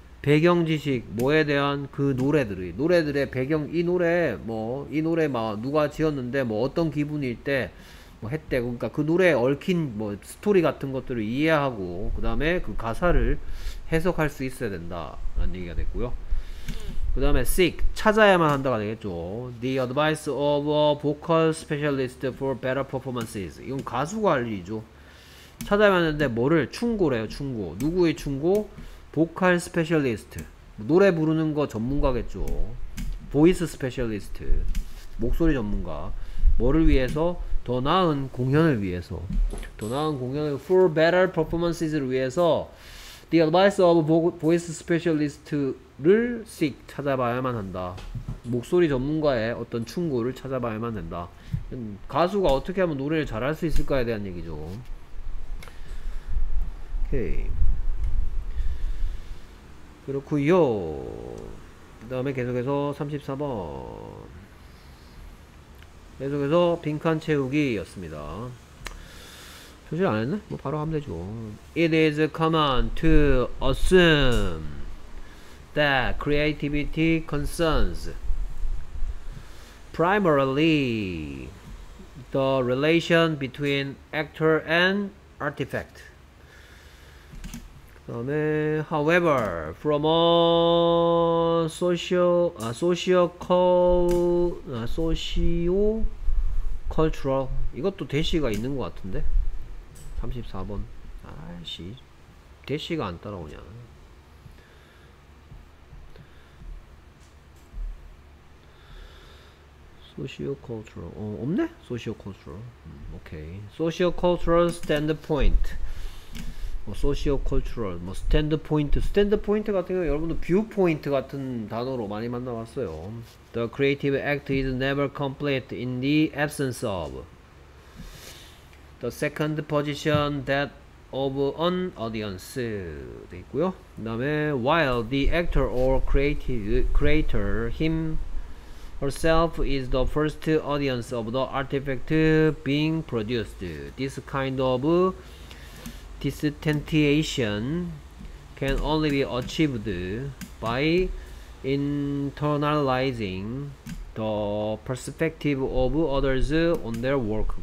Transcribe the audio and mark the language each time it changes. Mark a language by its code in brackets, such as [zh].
[ko] 배경 지식, 뭐에 대한 그 노래들의 배경, 이 노래 뭐 이 노래 막 누가 지었는데 뭐 어떤 기분일 때 뭐 했대. 그러니까 그 노래에 얽힌 뭐 스토리 같은 것들을 이해하고 그 다음에 그 가사를 해석할 수 있어야 된다 라는 얘기가 됐고요. 그 다음에 seek, 찾아야만 한다가 되겠죠. [en] The advice of a vocal specialist for better performances. [ko] 이건 가수가 할 일이죠. 찾아야만 하는데 뭐를? 충고래요. 충고. 누구의 충고? 보컬 스페셜리스트. 노래 부르는 거 전문가겠죠. 보이스 스페셜리스트, 목소리 전문가. 뭐를 위해서? 더 나은 공연을 위해서. 더 나은 공연을 [en] for better performances [ko] 를 위해서 [en] the advice of voice specialist [ko] 를 seek, 찾아봐야만 한다. 목소리 전문가의 어떤 충고를 찾아봐야만 된다. 가수가 어떻게 하면 노래를 잘할 수 있을까에 대한 얘기죠. 오케이, 그렇구요. 그 다음에 계속해서 34번 계속해서 빈칸 채우기 였습니다. 표시를 안 했네? 뭐 바로 하면 되죠. [en] It is common to assume that creativity concerns primarily the relation between actor and artifact. [ko] 그 다음에 [en] however from a sociocultural [ko] 이것도 대시가 있는 것 같은데 34번 아씨 대시가 안 따라오냐. 소시오컬처럴. 없네? 소시오컬처럴. 오케이. 소시오컬처럴 스탠드포인트. 뭐 소시오컬처럴 뭐 스탠드포인트. 스탠드포인트 같은 경우 여러분도 뷰포인트 같은 단어로 많이 만나봤어요. [en] The creative act is never complete in the absence of the second position, that of an audience [ko] 돼 있고요. 그 다음에 [en] while the actor or creator him herself is the first audience of the artifact being produced, this kind of distantiation can only be achieved by internalizing the perspective of others on their work.